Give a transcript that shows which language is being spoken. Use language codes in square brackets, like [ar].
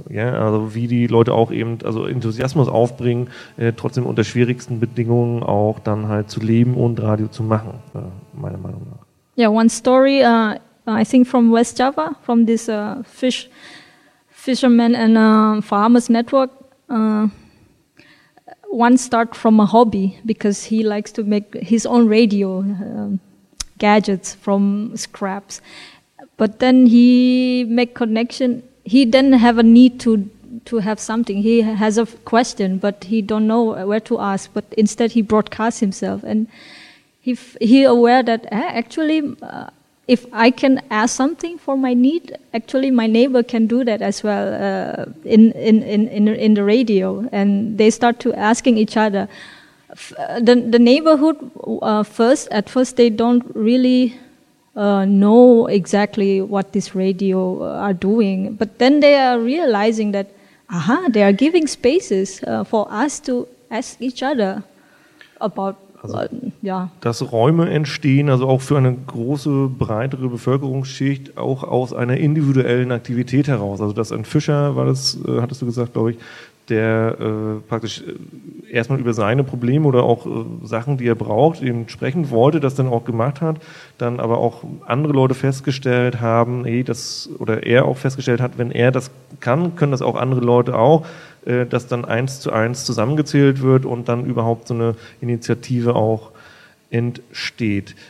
[de] Ja, also wie die Leute auch eben also Enthusiasmus aufbringen, trotzdem unter schwierigsten Bedingungen auch dann halt zu leben und Radio zu machen, meiner Meinung nach. [en] Yeah, one story, I think from West Java, from this fishermen and farmers network. One start from a hobby because he likes to make his own radio gadgets from scraps. But then he make connection. He didn't have a need to have something. He has a question, but he don't know where to ask. But instead, he broadcasts himself, and he aware that actually, if I can ask something for my need, actually my neighbor can do that as well in the radio, and they start to asking each other. The neighborhood at first they don't really know exactly what this radio are doing, but then they are realizing that they are giving spaces for us to ask each other about. [de] Also, ja. Dass Räume entstehen, also auch für eine große, breitere Bevölkerungsschicht, auch aus einer individuellen Aktivität heraus. Also dass ein Fischer, hattest du gesagt, glaube ich, der praktisch erstmal über seine Probleme oder auch Sachen, die er braucht, eben sprechen wollte, das dann auch gemacht hat, dann aber auch andere Leute festgestellt haben, er auch festgestellt hat, wenn er das kann, können das auch andere Leute auch, dass dann eins zu eins zusammengezählt wird und dann überhaupt so eine Initiative auch entsteht.